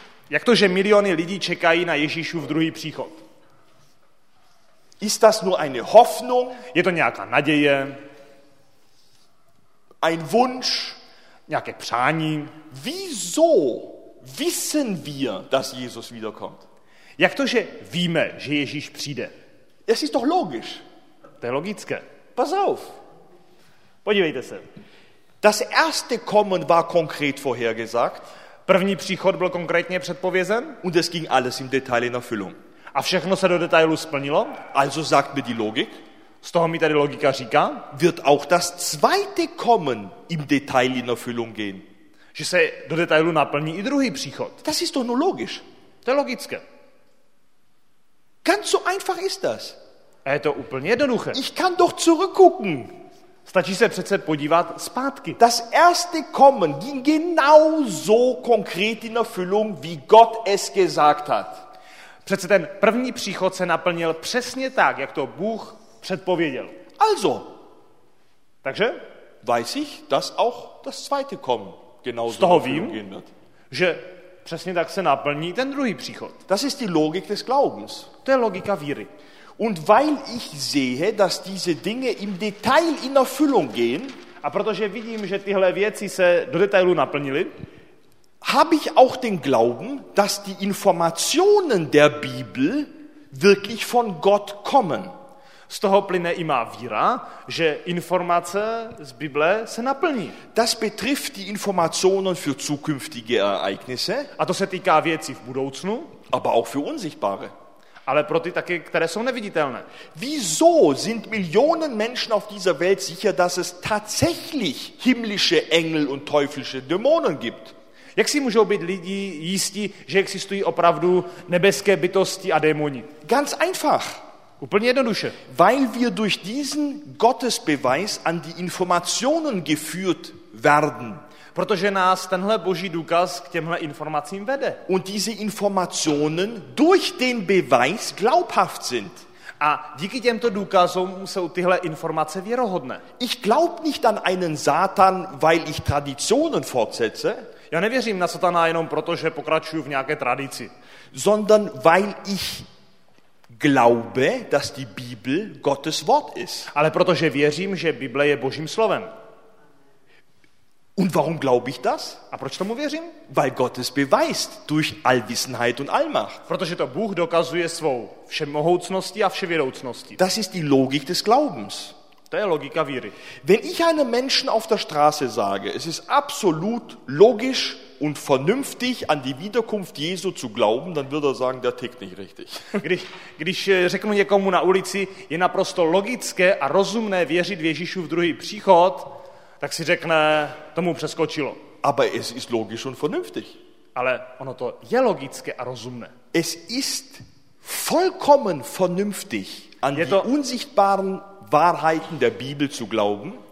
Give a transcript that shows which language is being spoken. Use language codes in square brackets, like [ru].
[cs] Jak to, že miliony lidí čekají na Ježíšův druhý příchod? [de] Ist das nur eine Hoffnung? [cs] Je to nějaká naděje? [de] Ein Wunsch? [cs] Nějaké přání? [de] Wieso wissen wir, dass Jesus wiederkommt? [cs] Jak to, že víme, že Ježíš přijde? [de] Es ist doch logisch. [cs] To je logické. [de] Pass auf. [cs] Podívejte se. [de] Das erste Kommen war konkret vorhergesagt. [cs] První příchod byl konkrétně předpovězen. [de] Und es ging alles im Detail in Erfüllung. [cs] A všechno se do detailu splnilo. [de] Also sagt mir die Logik. [cs] Z toho mi tady logika říká. [de] Wird auch das zweite Kommen im Detail in Erfüllung gehen. [cs] Že se do detailu naplní i druhý příchod. [de] Das ist doch nur logisch. [cs] To je logické. [de] Ganz so einfach ist das. [cs] A je to úplně jednoduché. [de] Ich kann doch zurückgucken. [cs] Stačí se přece podívat zpátky. [de] Das erste Kommen ging genau so konkret in Erfüllung, wie Gott es gesagt hat. [cs] Přece ten první příchod se naplnil přesně tak, jak to Bůh předpověděl. [de] Also. [cs] Takže? [de] Weiß ich, dass auch das zweite Kommen genauso. [cs] Z toho vím, že přesně tak se naplní ten druhý příchod. [de] Das ist die Logik des Glaubens. [cs] To je logika víry. [de] Und weil ich sehe, dass diese Dinge im Detail in Erfüllung gehen, [cs] a protože vidím, že tyhle věci se do detailu naplnily, [de] habe ich auch den Glauben, dass die Informationen der Bibel wirklich von Gott kommen. [cs] Z toho plyne i má víra, že informace z Bible se naplní. [de] Das betrifft die Informationen für zukünftige Ereignisse. [cs] A to se týká věcí v budoucnu. [de] Aber auch für unsichtbare. [cs] Ale pro ty taky, které jsou neviditelné. [de] Wieso sind Millionen Menschen auf dieser Welt sicher, dass es tatsächlich himmlische Engel und teuflische Dämonen gibt? [cs] Jak si můžou být lidi jistí, že existují opravdu nebeské bytosti a démoni? [de] Ganz einfach. [cs] Úplně jednoduše. [de] Weil wir durch diesen Gottesbeweis an die Informationen geführt werden. [cs] Protože nás tenhle boží důkaz k těmhle informacím vede. [de] Und diese Informationen durch den Beweis glaubhaft sind. [cs] A díky těmto důkazům jsou tyhle informace věrohodné. [de] Ich glaub nicht an einen Satan, weil ich Traditionen fortsetze. [cs] Já nevěřím na Satana jenom proto, že pokračuju v nějaké tradici. [de] Sondern weil ich glaube, dass die Bibel Gottes Wort ist. [cs] Ale protože věřím, že Bible je Božím slovem. [de] Und warum glaube ich das? [cs] A proč tomu věřím? [de] Weil Gott es beweist durch Allwissenheit und Allmacht. [cs] Protože to Bůh dokazuje svou všemohoucností a vševědoucností. [de] Das ist die Logik des Glaubens. [cs] To je logika víry. [de] Wenn ich einem Menschen auf der Straße sage, es ist absolut logisch und vernünftig an die Wiederkunft Jesu zu glauben, dann wird er sagen, der tickt nicht richtig. [cs] Když řeknu někomu na ulici, je naprosto logické a rozumné věřit v Ježíšu v druhý příchod, tak si řekne, tomu přeskočilo. [de] Aber es ist logisch und vernünftig. [cs] Ale ono to je logické a rozumné. [de] Es ist vollkommen vernünftig an die unsichtbaren Wahrheiten der Bibel zu glauben.